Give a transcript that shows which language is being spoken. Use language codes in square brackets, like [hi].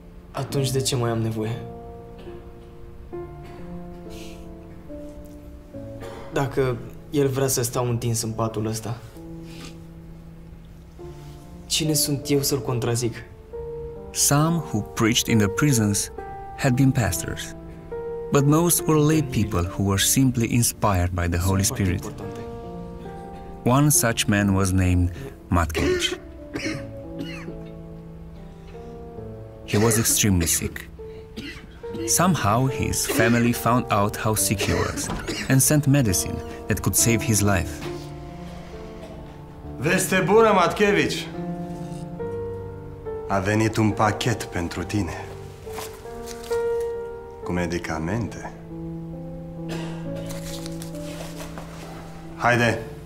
[ro] Atunci de ce mai am nevoie? Dacă El vrea să stau întins în patul ăsta, cine sunt eu să-L contrazic? [en] Some who preached in the prisons had been pastors. But most were lay people who were simply inspired by the Holy Spirit. One such man was named Matt Cage. He was extremely sick. Somehow his family found out how sick he was and sent medicine that could save his life. [ro] Veste bună, Matt Cage! A venit un pachet pentru tine. Cu medicamente. Haide!